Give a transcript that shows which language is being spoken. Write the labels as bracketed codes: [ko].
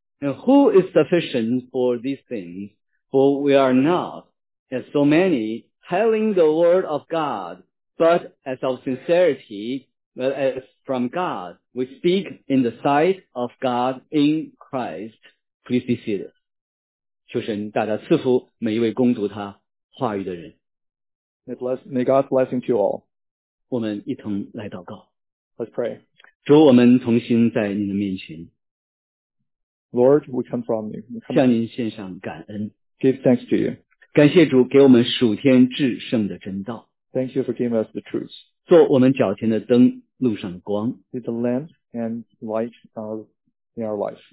[en] And who is sufficient for these things? For we are not, as so many, telling the word of God, but as of sincerity, but as from God, we speak in the sight of God in Christ. Please be seated. [zh] 求神大大赐福每一位攻读他话语的人。 [en] May God's blessing to all. [zh] 我们一同来祷告。 [en] Let's pray. [zh] 主，我们同心在你的面前。 [en] Lord, we come from you. [zh] 向您献上感恩。 [en] Give thanks to you. [zh] 感谢主给我们属天至圣的真道。 [en] Thank you for giving us the truth. [zh] 做我们脚前的灯，路上的光。 [en] Be the lamp and light in our life.